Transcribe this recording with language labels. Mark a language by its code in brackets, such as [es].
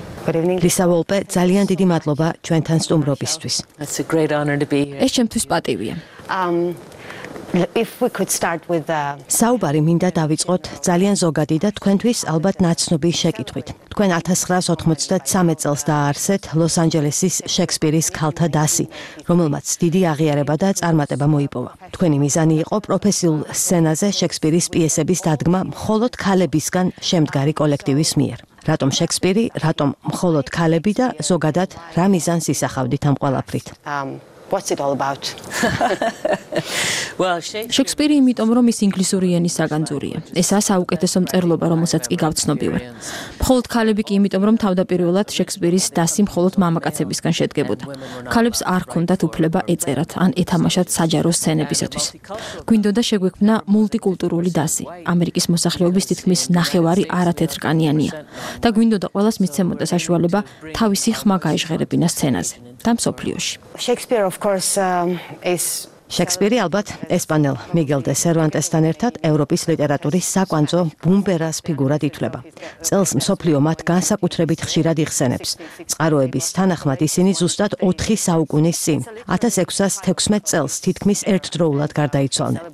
[ka] ლისა ვოლპე, ძალიან დიდი მადლობა ჩვენთან სტუმრობისთვის. [en] It's a great honor to be here. [ka] ეს ჩემთვის პატივია. [en] If we could start with the [ka] საუბარი მინდა დავიწყოთ ძალიან ზოგადი და თქვენთვის ალბათ ნაცნობი შეკითხვით. თქვენ 1993 წელს დაარსეთ ლოს-ანჯელესის შექსპირის ქალთა დასი, რომელმაც დიდი აღიარება და წარმატება მოიპოვა. თქვენი მიზანი იყო პროფესიულ სცენაზე შექსპირის პიესების დადგმა მხოლოდ ქალებისგან შემდგარი კოლექტივის მიერ. რატომ შექსპირი, რატომ მხოლოდ ქალები და ზოგადად რა მიზანს ისახავდით ამ ყველაფრით? [en] What's it all about? [ka] Well, Shakespeare, იმიტომ რომ ის ინგლისური ენის საგანძურია. ესა საუკეთესო მწერლობა, რომელსაც კი გავცნობი ვარ. მხოლოდ ქალები კი, იმიტომ რომ თავდაპირველად შექსპირის დასი მხოლოდ მამაკაცებისგან შედგებოდა. ქალებს არ ჰქონდათ უფლება ეწერათ ან ეთამაშათ საჯარო სცენებისათვის. გვინდოდა შეგვექმნა მულტიკულტურული დასი. ამერიკის მოსახლეობის თითქმის ნახევარი არათეთრკანიანია და გვინდოდა ყოველას მისცემოდა საშუალება თავისი ხმა გაეჟღერებინა სცენაზე და მსოფლიოში. [en] Shakespeare of course is [ka] შექსპირი ალბათ ესპანელ მიგელ დე სერვანტესთან ერთად ევროპის ლიტერატურის საკვანძო ბუმბერას ფიგურად ითვლება. წელს მსოფლიო მათ განსაკუთრებით ხშირად იხსენებს. წყაროების თანახმად ისინი ზუსტად 4 საუკუნის წინ, 1616 წელს თითქმის ერთდროულად გარდაიცვალნენ.